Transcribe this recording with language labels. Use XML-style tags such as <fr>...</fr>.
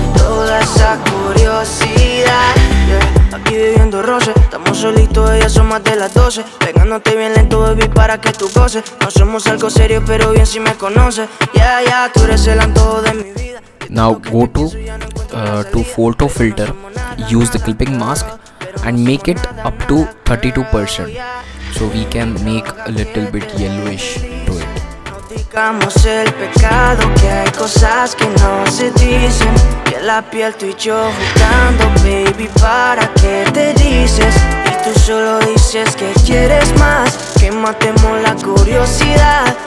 <es>Toda esa curiosidad, yeah. Aquí viviendo roce, estamos solitos, ellas son más de las 12. Pegándote bien lento, baby, para que tú goces. No somos algo serio, pero bien si me conoces. Yeah, yeah, tú eres el antojo de mi vida.</es> <en>Now go to photo filter. Use the clipping mask and make it up to 32%. So we can make a little bit yellowish to it.</en> <es>No digamos el pecado, que hay cosas que no se dicen. Piel a piel, tú y yo jugando, baby, ¿para qué te dices? Y tú solo dices que quieres más, que matemos la curiosidad.</es>